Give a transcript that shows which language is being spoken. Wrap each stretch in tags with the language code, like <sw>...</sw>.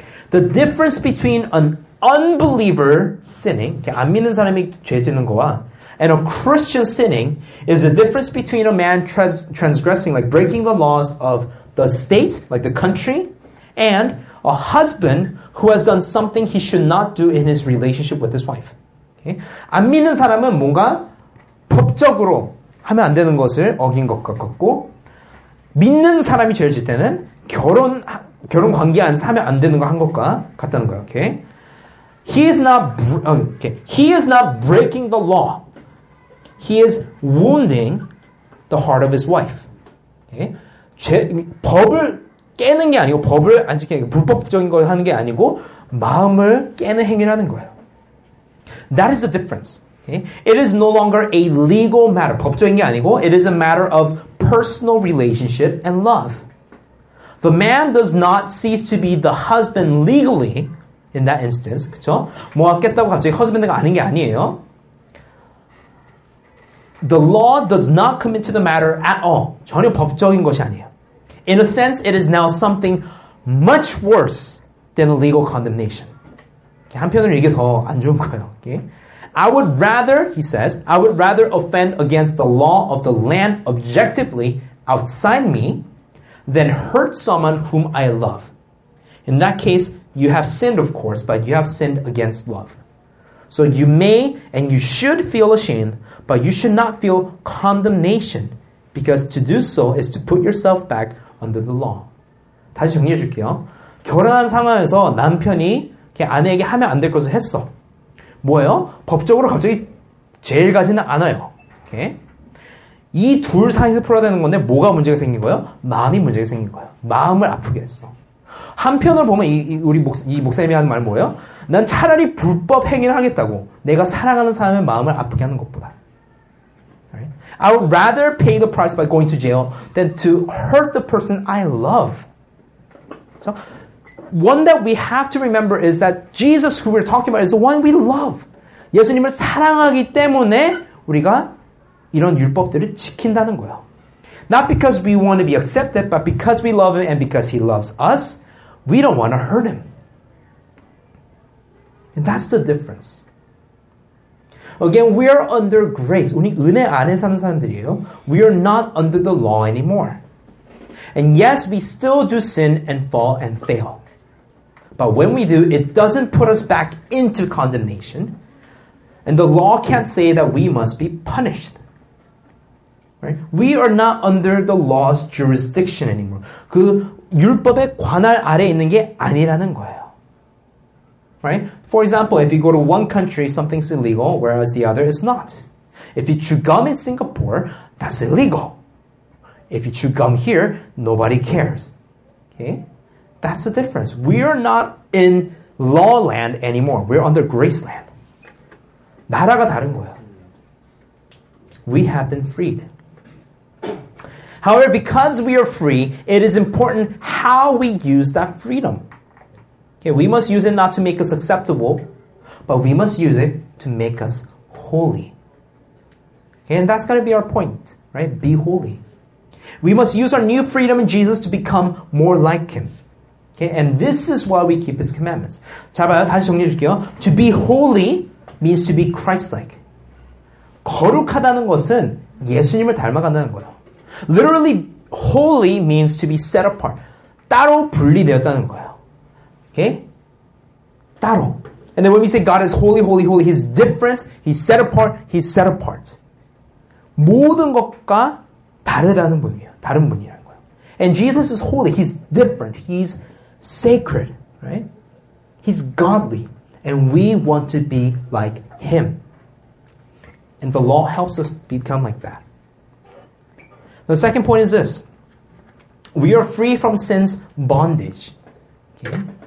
<en>The difference between an unbeliever sinning,</en> <ko>안 믿는 사람이 죄 짓는 거와,</ko> <en>and a Christian sinning is the difference between a man transgressing, like breaking the laws of the state, like the country, and a husband who has done something he should not do in his relationship with his wife. Okay?</en> <ko>안 믿는 사람은 뭔가 법적으로 하면 안 되는 것을 어긴 것 같고, 믿는 사람이 죄를 짓 때는 결혼 관계 안에서 하면 안 되는 거 한 것과 같다는 거야.</ko> <en>Okay? He is not breaking the law. He is wounding the heart of his wife. Okay?</en> <ko>법을 깨는 게 아니고 법을 안 지키는 게 불법적인 걸 하는 게 아니고 마음을 깨는 행위라는 거예요.</ko> <en>That is the difference. Okay? It is no longer a legal matter.</en> <ko>법적인 게 아니고</ko> <en>it is a matter of personal relationship and love. The man does not cease to be the husband legally in that instance,</en> <ko>그쵸? 모았겠다고 갑자기 husband가 아닌 게 아니에요.</ko> <en>The law does not come into the matter at all.</en> <ko>전혀 법적인 것이 아니에요.</ko> <en>In a sense, it is now something much worse than a legal condemnation.</en> <ko>한편으로 이게 더 안 좋은 거예요.</ko> <en>Okay? I would rather, he says, I would rather offend against the law of the land objectively outside me than hurt someone whom I love. In that case, you have sinned, of course, but you have sinned against love. So you may and you should feel ashamed, but you should not feel condemnation, because to do so is to put yourself back under the law.</en> <ko>다시 정리해 줄게요. 결혼한 상황에서 남편이 아내에게 하면 안 될 것을 했어. 뭐예요? 법적으로 갑자기 죄를 가지는 않아요.</ko> <en>Okay?</en> <ko>이 둘 사이에서 풀어야 되는 건데 뭐가 문제가 생긴 거예요? 마음이 문제가 생긴 거예요. 마음을 아프게 했어. 한편으로 보면 이 목사님이 하는 말은 뭐예요? 난 차라리 불법 행위를 하겠다고 내가 사랑하는 사람의 마음을 아프게 하는 것보다.</ko> <en>Right? I would rather pay the price by going to jail than to hurt the person I love. So, one that we have to remember is that Jesus who we're talking about is the one we love.</en> <ko>예수님을 사랑하기 때문에 우리가 이런 율법들을 지킨다는 거예요.</ko> <en>Not because we want to be accepted, but because we love him and because he loves us, we don't want to hurt him. And that's the difference. Again, we are under grace.</en> <ko>우리 은혜 안에 사는 사람들이에요.</ko> <en>We are not under the law anymore. And yes, we still do sin and fall and fail. But when we do, it doesn't put us back into condemnation. And the law can't say that we must be punished. Right? We are not under the law's jurisdiction anymore.</en> <ko>그 율법의 관할 아래 있는 게 아니라는 거예요.</ko> <en>Right? For example, if you go to one country, something's illegal, whereas the other is not. If you chew gum in Singapore, that's illegal. If you chew gum here, nobody cares. Okay? That's the difference. We are not in law land anymore. We're under grace land.</en> <ko>나라가 다른 거야.</ko> <en>We have been freed. However, because we are free, it is important how we use that freedom. Okay, we must use it not to make us acceptable, but we must use it to make us holy. Okay, and that's got to be our point, right? Be holy. We must use our new freedom in Jesus to become more like Him. Okay, and this is why we keep His commandments.</en> <ko>자, 봐요. 다시 정리해 줄게요.</ko> <en>To be holy means to be Christ-like.</en> <ko>거룩하다는 것은 예수님을 닮아간다는 거예요.</ko> <en>Literally, holy means to be set apart.</en> <ko>따로 분리되었다는 거예요. Okay? 따로.</ko> <en>And then when we say God is holy, holy, holy, He's different, He's set apart, He's set apart.</en> <ko>모든 것과 다르다는 분이에요. 다른 분이라는 거예요.</ko> <en>And Jesus is holy, He's different, He's sacred, right? He's godly. And we want to be like Him. And the law helps us become like that. The second point is this. We are free from sin's bondage. Okay.</en>